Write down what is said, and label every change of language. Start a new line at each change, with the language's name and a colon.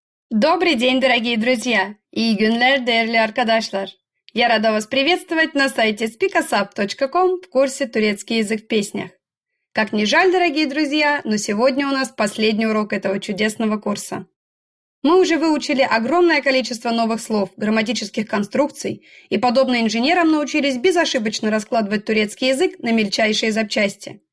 Russian: Добрый день, дорогие друзья!
Turkish: И günler değerli arkadaşlar!
Russian: Я рада вас приветствовать на сайте speakasap.com в курсе «Турецкий язык в песнях». Как ни жаль, дорогие друзья, но сегодня у нас последний урок этого чудесного курса. Мы уже выучили огромное количество новых слов, грамматических конструкций и, подобно инженерам, научились безошибочно раскладывать турецкий язык на мельчайшие запчасти.